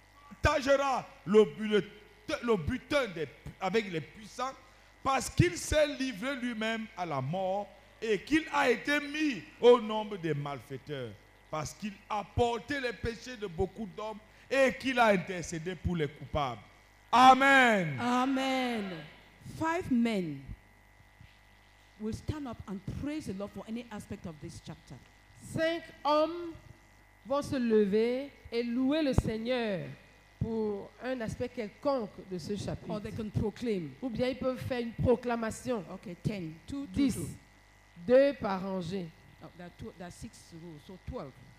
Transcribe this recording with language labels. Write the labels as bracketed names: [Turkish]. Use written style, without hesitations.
[French] Il partagera le butin avec les puissants parce qu'il s'est livré lui-même à la mort et qu'il a été mis au nombre des malfaiteurs parce qu'il a porté les péchés de beaucoup d'hommes et qu'il a intercédé pour les coupables. Amen. Amen. [English] Five men will stand up and praise the Lord for any aspect of this chapter. [French] Cinq hommes vont se lever et louer le Seigneur pour un aspect quelconque de ce chapitre. [English] Or they can proclaim. [French] Ou bien ils peuvent faire une proclamation. [English] Ok, ten. Two, [French] dix. [English] Two. [French] Deux par rangée. [English] Oh, that's six rows, so 12.